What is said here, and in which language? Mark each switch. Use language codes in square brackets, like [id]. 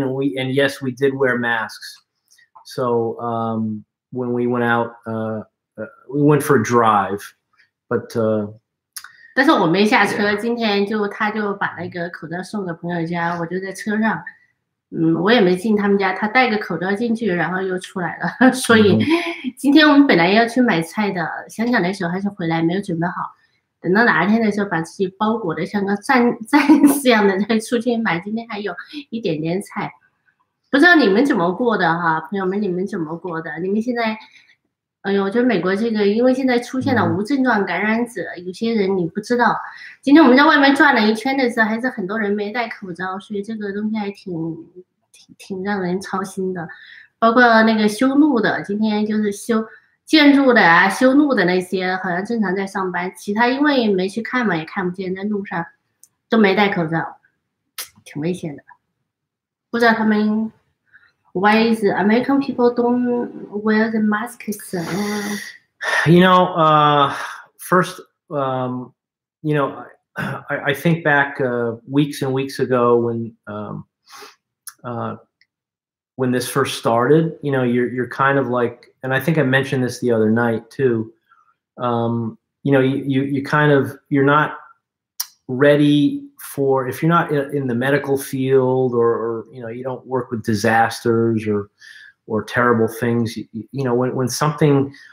[en] And we and yes, we did wear masks. So when we went out, we went for a drive, but. [zh] 但是我没下车，今天就他就把那个口罩送给朋友家，我就在车上，我也没进他们家，他戴个口罩进去，然后又出来了，所以今天我们本来要去买菜的，想想的时候还是回来，没有准备好，等到哪一天的时候把自己包裹的像个战士一样的再出去买，今天还有一点点菜，不知道你们怎么过的哈，朋友们你们怎么过的，你们现在哎呦，我觉得美国这个，因为现在出现了无症状感染者，有些人你不知道。今天我们在外面转了一圈的时候，还是很多人没戴口罩，所以这个东西还挺让人操心的。包括那个修路的，今天就是修建筑的啊，修路的那些好像正常在上班，其他因为没去看嘛，也看不见，在路上都没戴口罩，挺危险的。不知道他们。 [en] Why is American people don't wear the masks? You know, first, you know, I think back weeks and weeks ago when this first started, you know, you're kind of like, and I think I mentioned this the other night too, you know, you kind of, you're not ready for if you're not in the medical field or you know you don't work with disasters or terrible things you know when something